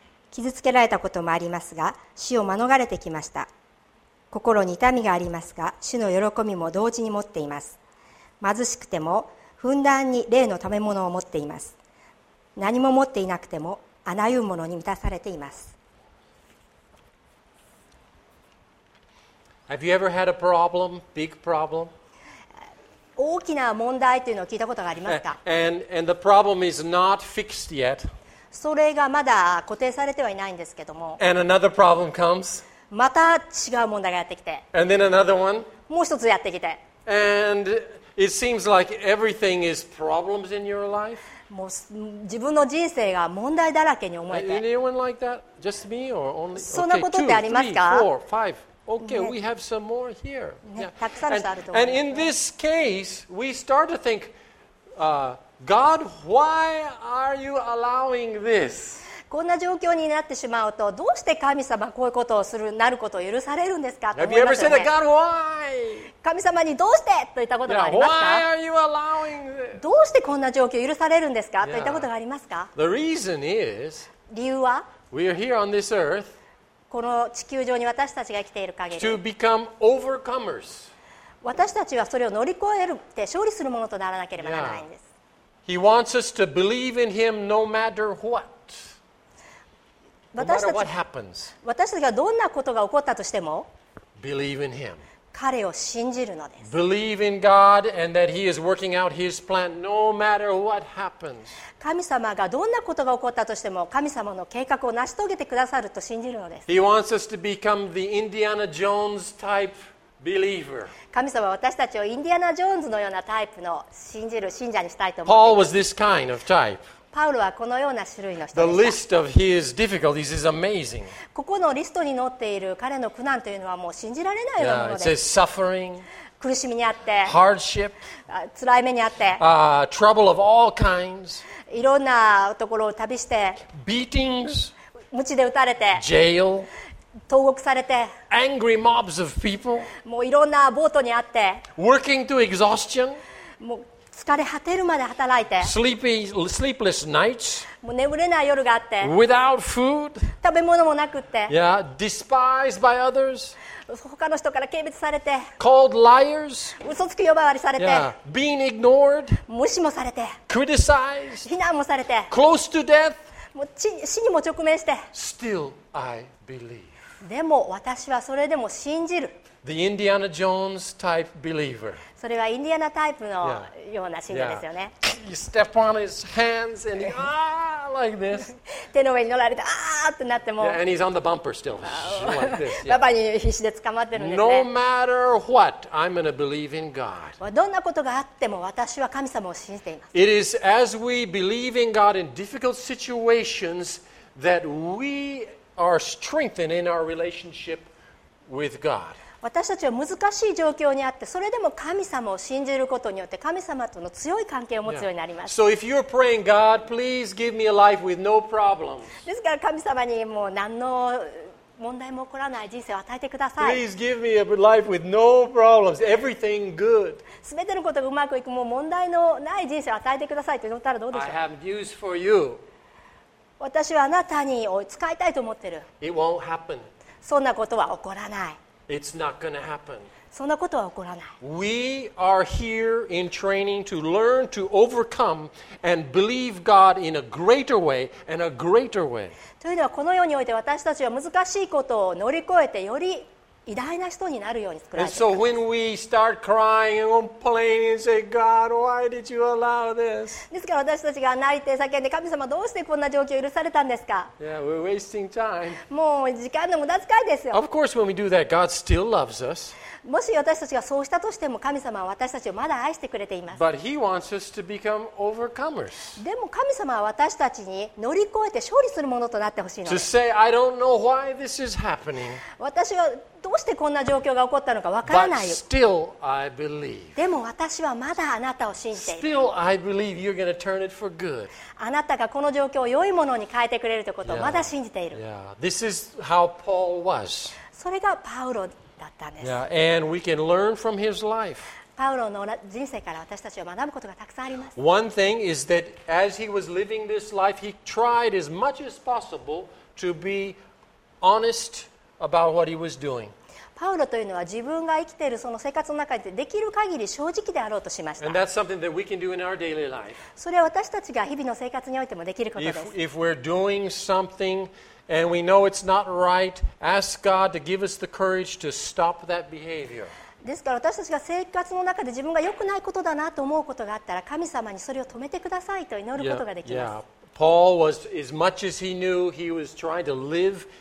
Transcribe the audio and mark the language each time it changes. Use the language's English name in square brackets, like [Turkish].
[Japanese] 傷つけられたこともありますが、主を免れてきました。心に痛みがありますが、主の喜びも同時に持っています。貧しくても、ふんだんに霊の食べ物を持っています。何も持っていなくても、あらゆるものに満たされています。 [English] Have you ever had a problem, big problem? [Japanese] 大きな問題というのを聞いたことがありますか? [English] And the problem is not fixed yet. [Japanese] それがまだ固定されてはいないんですけども。 [English] And another problem comes. [Japanese] また違う問題がやってきて。 [English] And then another one. [Japanese] もう一つやってきて。 [English] And it seems like everything is problems in your life. [Japanese] もう自分の人生が問題だらけに思えて。 [English] Anyone like that? Just me or only? [Japanese] そんなことってありますか? [English] Okay, 2, 3, 4, 5. Okay, we have some more here. [Japanese] たくさんの人あると思う。 [English] And in this case, we start to think, God, why are you allowing this? [Japanese] こんな状況になってしまうと、どうして神様こういうことをするなることを許されるんですか? [English] Have you ever said that, God, why? [Japanese] 神様にどうしてと言ったことがありますか? [English] Why are you allowing this? [Japanese] どうしてこんな状況を許されるんですか? と言ったことがありますか? [English] The reason is, [Japanese] 理由は? [English] We are here on this earth, [Japanese] この地球上に私たちが生きている限り、 [English] to become overcomers. [Japanese] 私たちはそれを乗り越えるって勝利するものとならなければならないんです。 [English] He wants us to believe in Him no matter what. No matter what happens. [Japanese] 私たちがどんなことが起こったとしても、 [English] believe in Him. [Japanese] 彼を信じるのです。 [English] Believe in God and that He is working out His plan no matter what happens. [Japanese] 神様がどんなことが起こったとしても、神様の計画を成し遂げてくださると信じるのです。 [English] He wants us to become the Indiana Jones type. Believer. [Japanese] 神様は私たちをインディアナ・ジョーンズのようなタイプの信じる信者にしたいと思っています [English] Paul was this kind of type. [Japanese] パウロはこのような種類の人でした。 [English] The list of his difficulties is amazing. [Japanese] ここのリストに載っている彼の苦難というのはもう信じられないようなものです。 [English] Yeah, it says suffering. [Japanese] 苦しみにあって。 [English] Hardship. [Japanese] 辛い目にあって。 [English] Trouble of all kinds. [Japanese] いろんなところを旅して。 [English] Beatings. [Japanese] 鞭で打たれて。 [English] Jail. [Japanese] 投獄されて、 [English] angry mobs of people、 [Japanese] もういろんな暴徒にあって、 [English] working to exhaustion、 [Japanese] もう疲れ果てるまで働いて、 [English] sleepless nights、 [Japanese] もう眠れない夜があって、 [English] without food、 [Japanese] 食べ物もなくって、 [English] yeah、despised by others、 [Japanese] 他の人から軽蔑されて、 [English] called liars、 [Japanese] 嘘つき呼ばわりされて、 [English] yeah、being ignored、 [Japanese] 無視もされて、 [English] criticized、 [Japanese] 非難もされて、 [English] close to death、 [Japanese] もう死にも直面して、 [English] still I。 Believe. [Japanese] でも私はそれでも信じる。 [English] The Indiana Jones type believer. [Japanese] それはインディアナタイプのような信者ですよね。 [English] Yeah. Yeah. You step on his hands and he, ah, like this. [Japanese] 手の上に乗られて、あーってなっても。 [English] Yeah, and he's on the bumper still. [Japanese] パパに必死で捕まってるんですね。 [English] No matter what, I'm going to believe in God. [Japanese] どんなことがあっても私は神様を信じています。 [English] It is as we believe in God in difficult situations that we are strengthening our relationship with God. [Japanese] 私たちは難しい状況にあって、それでも神様を信じることによって、神様との強い関係を持つようになります。 [English] Yeah. So if you're praying, God, please give me a life with no problems. [Japanese] ですから神様にもう何の問題も起こらない人生を与えてください。 [English] Please give me a life with no problems. Everything good. [Japanese] 全てのことがうまくいく、もう問題のない人生を与えてくださいと言ったらどうでしょう。 [English] I have news for you. [Japanese] 私はあなたに使いたいと思ってる。 [English] It won't happen. [Japanese] そんなことは起こらない。 [English] It's not going to happen. [Japanese] そんなことは起こらない。 [English] We are here in training to learn to overcome and believe God in a greater way and a greater way. [Japanese] というのはこの世において私たちは難しいことを乗り越えてより偉大な人になるように作られています [English] And so when we start crying and complaining and say, God, why did you allow this? [Japanese] ですから私たちが泣いて叫んで、神様どうしてこんな状況を許されたんですか。 [English] Yeah, we're wasting time. [Japanese] もう時間の無駄遣いですよ。 [English] Of course, when we do that, God still loves us. [Japanese] もし私たちがそうしたとしても、神様は私たちをまだ愛してくれています。 [English] But he wants us to become overcomers. [Japanese] でも神様は私たちに乗り越えて勝利するものとなってほしいのです。 [English] To say, I don't know why this is happening. [Japanese] 私はどうしてこんな状況が起こったのかわからないよ。 [English] But still I believe. [Japanese] でも私はまだあなたを信じている。 [English] Still I believe you're going to turn it for good. [Japanese] あなたがこの状況を良いものに変えてくれるということをまだ信じている。 [English] Yeah. Yeah. This is how Paul was. [Japanese] それがパウロだったんです。 [English] Yeah. And we can learn from his life. [Japanese] パウロの人生から私たちは学ぶことがたくさんあります。 [English] One thing is that as he was living this life, he tried as much as possible to be honest. About what he was doing. [Japanese] パウロというのは自分が生きているその生活の中でできる限り正直であろうとしました。 [English] And that's something that we can do in our daily life. [Japanese] それは私たちが日々の生活においてもできることです。 [English] If we're doing something and we know it's not right, ask God to give us the courage to stop that behavior. [Japanese] ですから私たちが生活の中で自分が良くないことだなと思うことがあったら、神様にそれを止めてくださいと祈ることができます。 [English] Yeah, yeah. Paul was as much as he knew, he was trying to live.